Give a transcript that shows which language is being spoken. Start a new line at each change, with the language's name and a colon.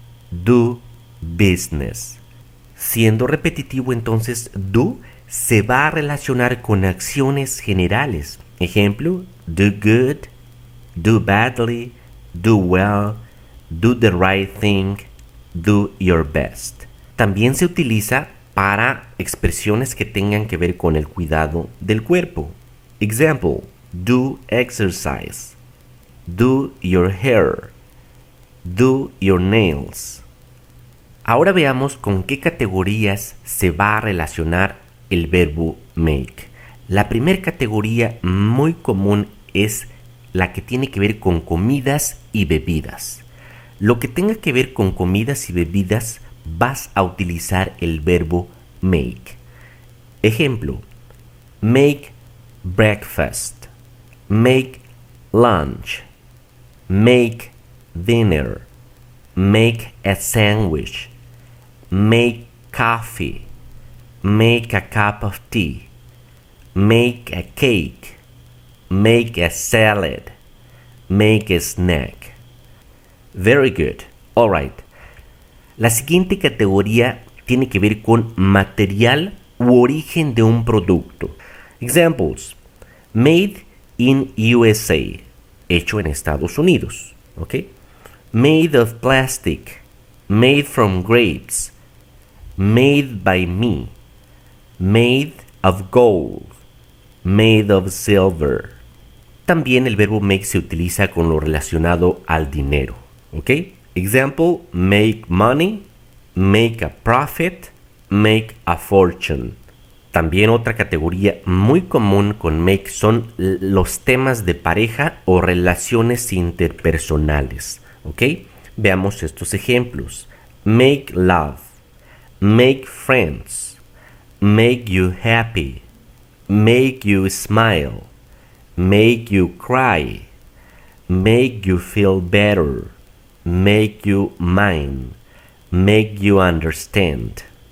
English: Do business.
Spanish: Siendo repetitivo, entonces, do se va a relacionar con acciones generales.
English: Ejemplo, do good, do badly, do well, do the right thing, do your best.
Spanish: También se utiliza para expresiones que tengan que ver con el cuidado del cuerpo.
English: Example, do exercise, do your hair, do your nails.
Spanish: Ahora veamos con qué categorías se va a relacionar el verbo make. La primera categoría muy común es la que tiene que ver con comidas y bebidas. Lo que tenga que ver con comidas y bebidas, vas a utilizar el verbo make.
English: Ejemplo, make breakfast, make lunch, make dinner, make a sandwich, make coffee, make a cup of tea, make a cake, make a salad, make a snack. Very good. All right.
Spanish: La siguiente categoría tiene que ver con material u origen de un producto. Examples.
English: Made in USA.
Spanish: Hecho en Estados Unidos.
English: Okay. Made of plastic. Made from grapes. Made by me. Made of gold. Made of silver.
Spanish: También el verbo make se utiliza con lo relacionado al dinero. ¿Ok?
English: Example, make money, make a profit, make a fortune.
Spanish: También otra categoría muy común con make son los temas de pareja o relaciones interpersonales. ¿Ok? Veamos estos ejemplos.
English: Make love, make friends, make you happy, make you smile, make you cry, make you feel better, make you mine, make you understand.